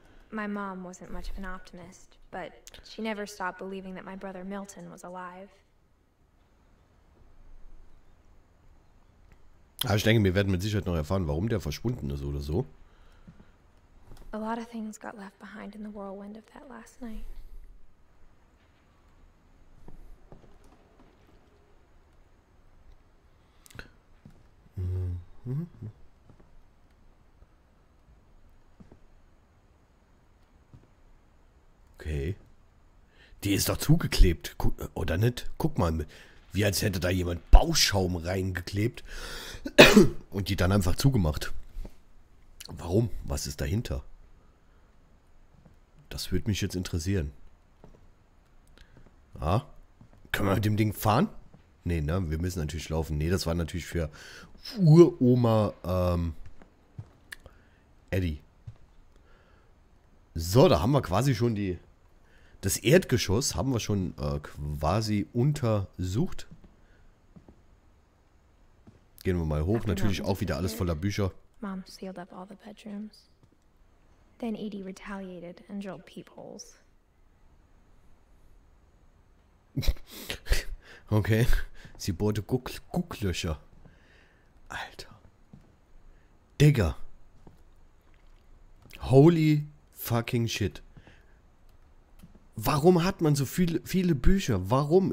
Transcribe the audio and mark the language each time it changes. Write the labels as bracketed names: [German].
[English] My mom wasn't much of an optimist, but she never stopped believing that my brother Milton was alive. [German] Aber ich denke, wir werden mit Sicherheit noch erfahren, warum der verschwunden ist oder so. [English] A lot of things got left behind in the whirlwind of that last night. Okay. [German] Die ist doch zugeklebt, oder nicht? Guck mal mit. Wie als hätte da jemand Bauschaum reingeklebt und die dann einfach zugemacht. Warum? Was ist dahinter? Das würde mich jetzt interessieren. Ah? Können wir mit dem Ding fahren? Nee, ne? Wir müssen natürlich laufen. Nee, das war natürlich für Uroma Eddie. So, da haben wir quasi schon die. Das Erdgeschoss haben wir schon quasi untersucht. Gehen wir mal hoch, natürlich auch wieder alles voller Bücher. [English] Mom sealed up all the bedrooms. Then Edie retaliated and drilled peepholes. [German] Okay, sie bohrte Gucklöcher. Alter. Digga. [English] Holy fucking shit. [German] Warum hat man so viele Bücher? Warum?